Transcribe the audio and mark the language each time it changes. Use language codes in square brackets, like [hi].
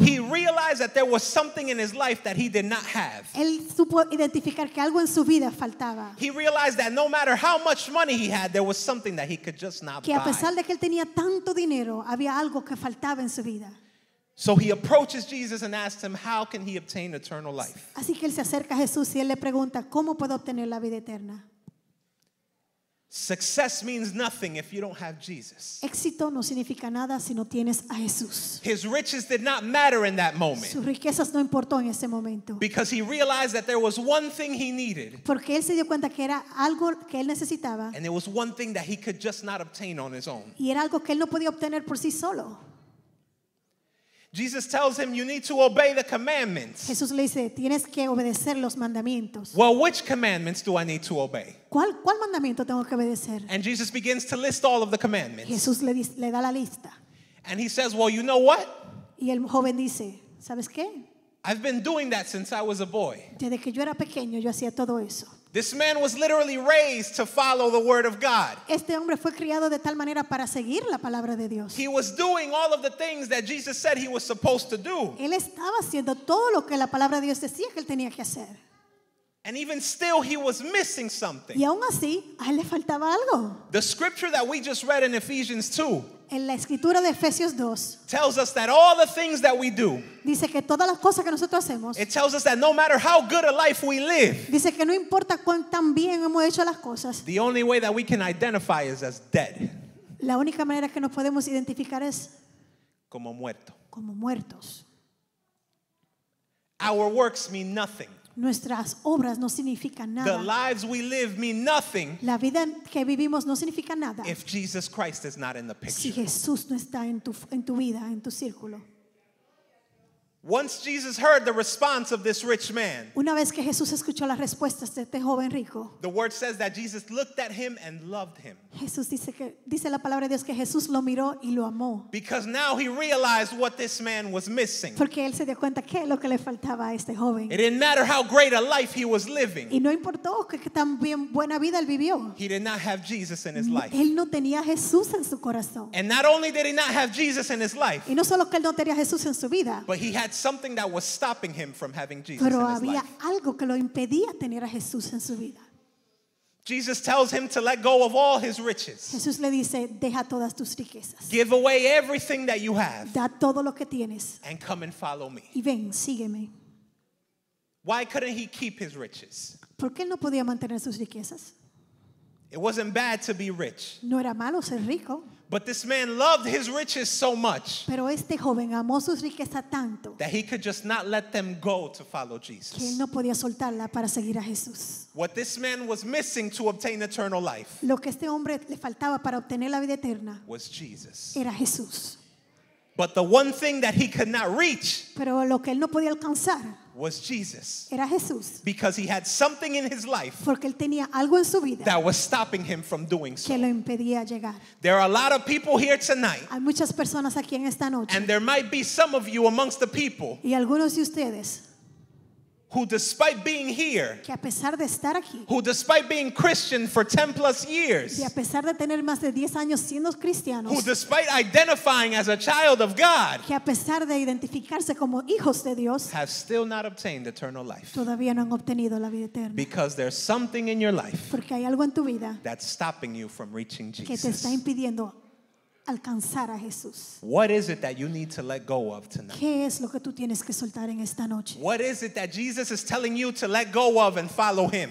[en] He realized that there was something in his life that he did not have. [es] Él supo identificar que algo en su vida faltaba. [en] He realized that no matter how much money he had, there was something that he could just not buy. [es] Que a pesar que él tenía tanto dinero, había algo que faltaba en su vida. [en] So he approaches Jesus and asks him, "How can he obtain eternal life?" [es] Así que él se acerca a Jesús y él le pregunta, "¿Cómo puedo obtener la vida eterna?" [en] Success means nothing if you don't have Jesus. [es] Éxito no significa nada si no tienes a Jesús. [en] His riches did not matter in that moment. [es] Sus riquezas no importó en ese momento. [en] Because he realized that there was one thing he needed. [es] Porque él se dio cuenta que era algo que él necesitaba. [en] And it was one thing that he could just not obtain on his own. [es] Y era algo que él no podía obtener por sí solo. [en] Jesus tells him, "You need to obey the commandments." [es] Jesús le dice, tienes que obedecer los mandamientos. [en] Well, which commandments do I need to obey? [es] ¿Cuál mandamiento tengo que obedecer? [en] And Jesus begins to list all of the commandments. [es] Jesús le da la lista. [en] And he says, "Well, you know what?" [es] Y el joven dice, ¿sabes qué? [en] I've been doing that since I was a boy. [es] Desde que yo era pequeño, yo hacía todo eso. [en] This man was literally raised to follow the word of God. [es] Este hombre fue criado de tal manera para seguir la palabra de Dios. [en] He was doing all of the things that Jesus said he was supposed to do. [es] Él estaba haciendo todo lo que la palabra de Dios decía que él tenía que hacer. [en] And even still, he was missing something. [es] Y aún así, a él le faltaba algo. [en] The scripture that we just read in Ephesians 2. [es] En la escritura de Efesios 2. [en] Tells us that all the things that we do. [es] Dice que todas las cosas que nosotros hacemos. [en] It tells us that no matter how good a life we live. [es] Dice que no importa cuán tan bien hemos hecho las cosas. [en] The only way that we can identify is as dead. [es] La única manera que nos podemos identificar es como muerto. Como muertos. [en] Our works mean nothing. [es] Nuestras obras no significan nada. [en] The lives we live mean nothing. [es] La vida que vivimos no significa nada. [en] If Jesus Christ is not in the picture. [es] Si Jesús no está en tu vida, en tu círculo. [en] Once Jesus heard the response of this rich man. [es] Una vez que Jesús escuchó las respuestas de este joven rico. [en] The word says that Jesus looked at him and loved him. [es] Jesús dice la palabra de Dios que Jesús lo miró y lo amó. [en] Because now he realized what this man was missing. [es] Porque él se dio cuenta qué es lo que le faltaba a este joven. [en] It didn't matter how great a life he was living. [es] Y no importó qué tan buena vida él vivió. [en] He did not have Jesus in his life. [es] Él no tenía Jesús en su corazón. [en] And not only did he not have Jesus in his life. [es] Y no solo que él no tenía Jesús en su vida. [en] But he had something that was stopping him from having Jesus. [es] Pero había [en] in his life. [es] Algo que lo impedía tener a Jesús en su vida. [en] Jesus tells him to let go of all his riches. [es] Jesús le dice, deja todas tus riquezas. [en] Give away everything that you have. [es] Da todo lo que tienes. [en] And come and follow me. [es] Y ven, sígueme. [en] Why couldn't he keep his riches? [es] ¿Por qué no podía mantener sus riquezas? [en] It wasn't bad to be rich. [es] No era malo ser rico. [en] But this man loved his riches so much. [es] Pero este joven amó sus riquezas tanto. [en] That he could just not let them go to follow Jesus. [es] Que él no podía soltarla para seguir a Jesús. [en] What this man was missing to obtain eternal life. [es] Lo que este hombre le faltaba para obtener la vida eterna. [en] Was Jesus. [es] Era Jesús. [en] But the one thing that he could not reach. [es] Pero lo que él no podía alcanzar. [en] Was Jesus. [es] Era Jesús. [en] Because he had something in his life. [es] Porque él tenía algo en su vida. [en] That was stopping him from doing so. [es] Que lo impedía llegar. [en] There are a lot of people here tonight. [es] Hay muchas personas aquí en esta noche. [en] And there might be some of you amongst the people. [es] Y algunos de ustedes. [en] Who despite being here. [es] Que a pesar de estar aquí. [en] Who despite being Christian for 10 plus years. [es] Y a pesar de tener más de 10 años siendo cristianos. [en] Who despite identifying as a child of God. [es] Que a pesar de identificarse como hijos de Dios. [en] Have still not obtained eternal life. [es] Todavía no han obtenido la vida eterna. [en] Because there's something in your life. [es] Porque hay algo en tu vida. [en] That's stopping you from reaching Jesus. [es] Que te está impidiendo alcanzar a Jesús. [en] What is it that you need to let go of tonight? [es] ¿Qué es lo que tú tienes que soltar en esta noche? [en] What is it that Jesus is telling you to let go of and follow him?